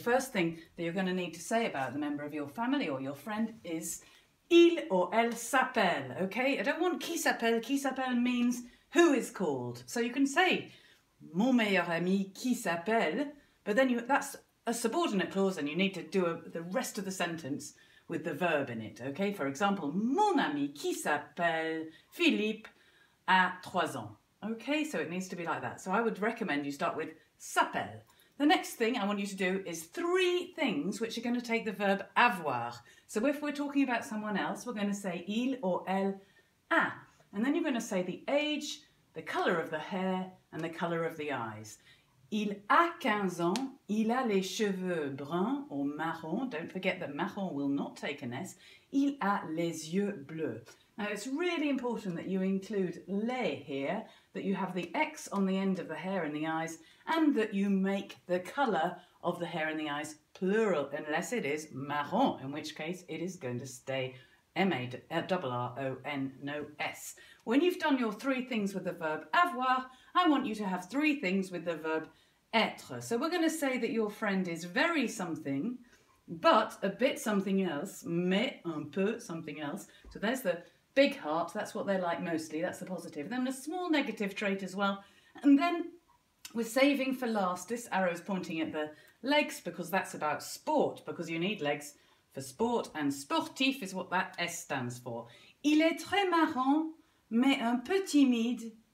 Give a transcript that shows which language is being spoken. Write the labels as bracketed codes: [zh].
[en] The first thing that you're going to need to say about the member of your family or your friend is il or [fr] elle s'appelle, [en] okay? I don't want [fr] qui s'appelle [en] means who is called. So you can say [fr] mon meilleur ami qui s'appelle, [en] but then that's a subordinate clause and you need to do the rest of the sentence with the verb in it, okay? For example, [fr] mon ami qui s'appelle Philippe a trois ans. [en] Okay, so it needs to be like that. So I would recommend you start with s'appelle. The next thing I want you to do is three things which are going to take the verb avoir. So if we're talking about someone else, we're going to say il or [fr] elle a. [en] And then you're going to say the age, the colour of the hair and the colour of the eyes. [fr] Il a 15 ans, il a les cheveux bruns or marron. [en] Don't forget that marron will not take an S. [fr] Il a les yeux bleus. [en] Now it's really important that you include les here, that you have the X on the end of the hair and the eyes, and that you make the colour of the hair and the eyes plural, unless it is marron, in which case it is going to stay M-A-R-R-O-N, no S. When you've done your three things with the verb avoir, I want you to have three things with the verb être. So we're going to say that your friend is very something, but a bit something else, [fr] mais un peu [en] something else. So there's the big heart, that's what they're like mostly, that's the positive. Then a small negative trait as well. And then we're saving for last, this arrow is pointing at the legs because that's about sport, because you need legs for sport, and sportif is what that S stands for. [fr] Il est très marrant, mais un peu timide.